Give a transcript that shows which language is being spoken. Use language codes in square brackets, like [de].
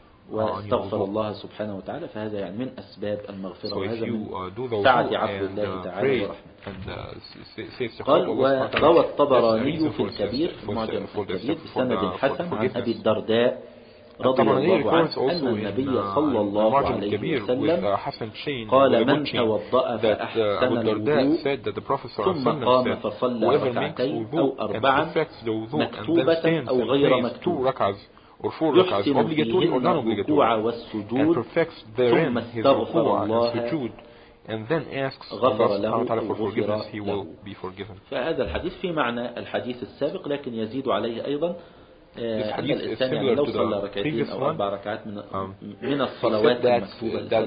[ar] واستغفر الله سبحانه وتعالى فهذا يعني من أسباب المغفرة وهذا من سعة عفو الله تعالى ورحمته قال وروى الطبراني في الكبير في معجم الكبير بسند الحسن عن أبي الدرداء رضي الله عنه أن النبي صلى الله عليه وسلم قال من توضأ فأحسن الوضوء ثم قام فصلى ركعتين أو أربعا مكتوبة أو غير مكتوبة [en] Or four rakahs, obligatory or non-obligatory, and perfects therein his rukua and sujood, and then asks Allah Taala for forgiveness. He will be forgiven. [ar] فهذا الحديث في معنى الحديث السابق، لكن يزيد عليه أيضا أن الإنسان لو صلى ركعتين أو أربع ركعات من من الصلوات المكتوبة،